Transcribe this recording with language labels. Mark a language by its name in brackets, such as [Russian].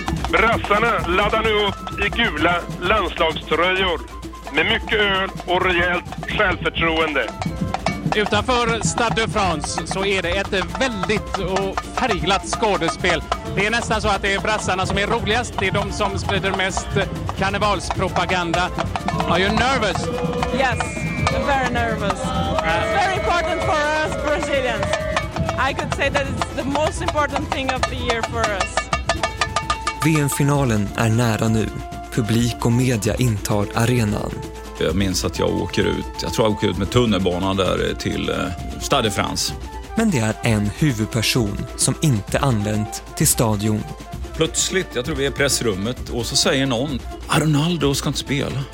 [Swedish] Brassarna laddar nu upp i gula landslagströjor med mycket öl och rejält självförtroende. Utanför Stade de France så är det ett väldigt och färgglatt skådespel. Det är nästan så att det är brassarna som är roligast. Det är de som sprider mest karnevalspropaganda. [English] Are you nervous? Yes, very nervous. It's very important for us Brazilians. I could say that it's the most important thing of the year for us. [Swedish] VM-finalen är nära nu. Publik och media intar arenan. Jag minns att jag åker ut, jag tror jag åker ut med tunnelbanan där till Stade de France. Men det är en huvudperson som inte anlänt till stadion. Plötsligt, jag tror vi är i pressrummet, och så säger någon: Ronaldo ska inte spela.